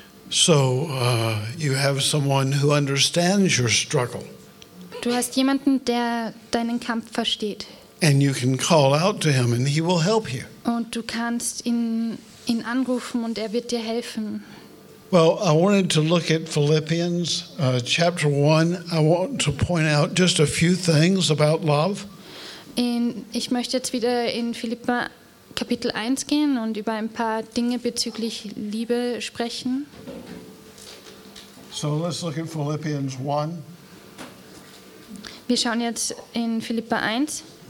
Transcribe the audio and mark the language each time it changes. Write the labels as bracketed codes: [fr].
[en] So you have someone who understands your struggle. [de] Du hast jemanden, der deinen Kampf versteht. [en] And you can call out to him and he will help you. [de] Und du kannst ihn anrufen und er wird dir helfen. [en] Well, I wanted to look at Philippians chapter 1. I want to point out just a few things about love. [de] Ich möchte jetzt wieder in Philippa Kapitel 1 gehen und über ein paar Dinge bezüglich Liebe sprechen. [en] So let's look at Philippians 1. [de] Wir schauen jetzt in Philippa 1.